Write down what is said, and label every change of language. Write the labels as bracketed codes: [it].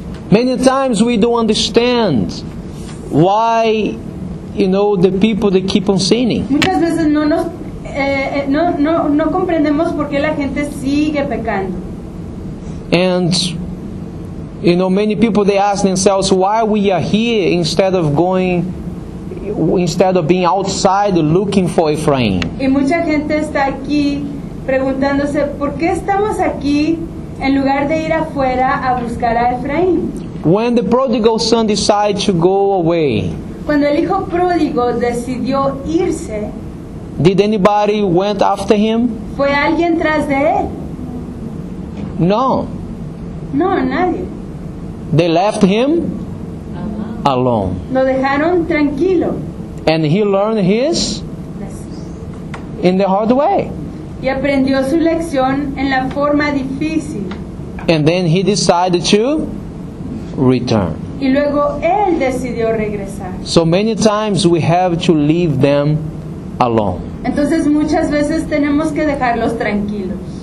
[en] Many times we don't understand why, you know, the people they keep on sinning. [es] Muchas veces no comprendemos por qué la gente sigue pecando. [en] And, you know, many people, they ask themselves why we are here instead of being outside looking for Ephraim. [es] Y mucha gente está aquí preguntándose, ¿por qué estamos aquí en lugar de ir afuera a buscar a Ephraim? [en] When the prodigal son decided to go away, [es] cuando el hijo pródigo decidió irse, [en] did anybody went after him? [es] ¿Fue alguien tras de él? [en] No. [es] No, nadie. [en] They left him alone. [es] Lo dejaron tranquilo. [en] And he learned his in the hard way. [es] Y aprendió su lección en la forma difícil. [en] And then he decided to return. [es] Y luego él decidió regresar. [en] So many times we have to leave them alone. [es] Entonces muchas veces tenemos que dejarlos tranquilos.